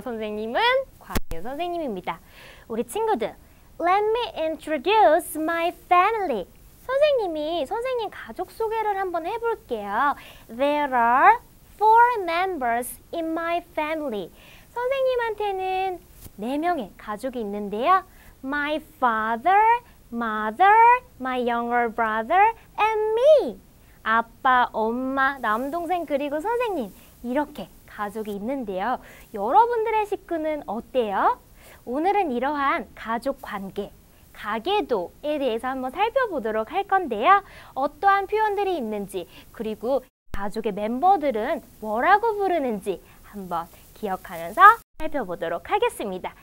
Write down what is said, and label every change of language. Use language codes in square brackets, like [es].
[ko] 선생님은 곽유 선생님입니다. 우리 친구들, [en] Let me introduce my family. [ko] 선생님이 선생님 가족 소개를 한번 해볼게요. [en] There are four members in my family. [ko] 선생님한테는 네 명의 가족이 있는데요. [en] My father, mother, my younger brother, and me. [ko] 아빠, 엄마, 남동생 그리고 선생님 이렇게. 가족이 있는데요. 여러분들의 식구는 어때요? 오늘은 이러한 가족 관계, 가계도에 대해서 한번 살펴보도록 할 건데요. 어떠한 표현들이 있는지, 그리고 가족의 멤버들은 뭐라고 부르는지 한번 기억하면서 살펴보도록 하겠습니다.